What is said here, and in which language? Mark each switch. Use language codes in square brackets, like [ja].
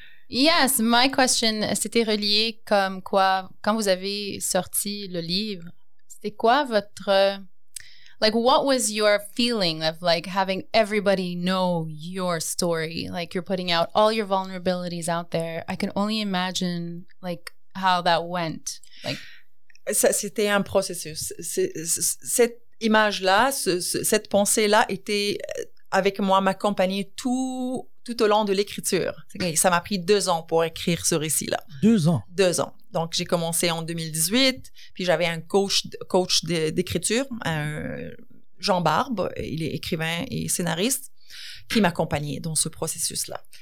[en] Yes, my question, [fr] c'était relié comme quoi, quand vous avez sorti le livre, c'était quoi votre... [en] Like, what was your feeling of, like, having everybody know your story? Like, you're putting out all your vulnerabilities out there. I can only imagine, like, how that went. Like, [fr] ça, c'était un processus. Cette image-là, cette pensée-là était avec moi, m'accompagnait tout au long de l'écriture. Ça m'a pris 2 ans pour écrire ce récit-là. 2 ans? 2 ans. Donc, j'ai commencé en 2018, puis j'avais un coach d'écriture, Jean Barbe, il est écrivain et scénariste, qui m'accompagnait dans ce processus-là.